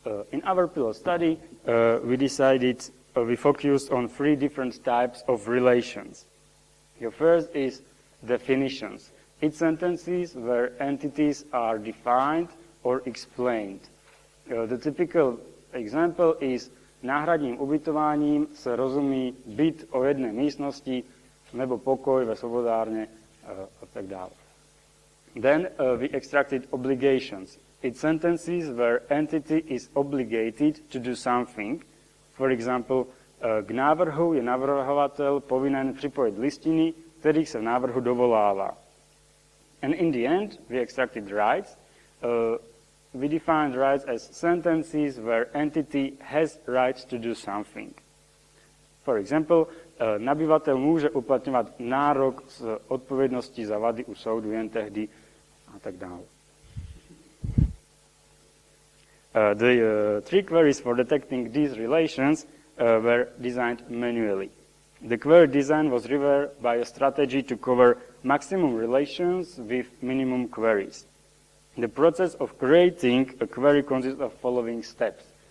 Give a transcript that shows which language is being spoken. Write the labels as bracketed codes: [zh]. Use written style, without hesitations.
[en] In our pilot study, we focused on three different types of relations. The first is definitions. It's sentences where entities are defined or explained. The typical example is [cs] náhradním ubytováním se rozumí byt o jedné místnosti nebo pokoj ve svobodárně a tak dále. [en] Then we extracted obligations. It's sentences where entity is obligated to do something. For example, [cs] k návrhu je navrhovatel povinen připojit listiny, kterých se v návrhu dovolává. [en] And in the end, we extracted rights. We define rights as sentences where entity has rights to do something. For example, [cs] nabývatel může uplatňovat nárok z odpovědnosti za vady u soudu jen tehdy a tak dále. [en] The three queries for detecting these relations were designed manually. The query design was driven by a strategy to cover maximum relations with minimum queries. The process of creating a query consists of following steps.